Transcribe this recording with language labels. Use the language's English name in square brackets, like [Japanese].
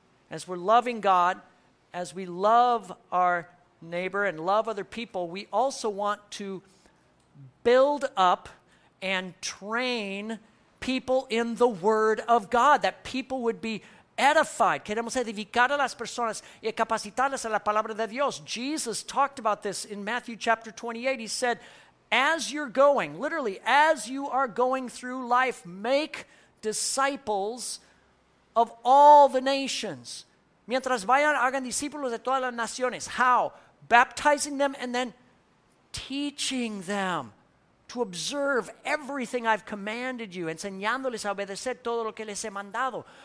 [English] As we're loving God, as we love our neighbor and love other people, we also want to build up and train people in the Word of God, that people would be edified. [Spanish] Queremos edificar a las personas y capacitarlas a la palabra de Dios. [English] Jesus talked about this in Matthew chapter 28. He said, as you're going, literally, as you are going through life, make disciples of all the nations, [Spanish] Mientras vayan, hagan discípulos de todas las naciones. [English] How? Baptizing them and then teaching them to observe everything I've commanded you. [Spanish] Enseñándoles a obedecer todo lo que les he mandado.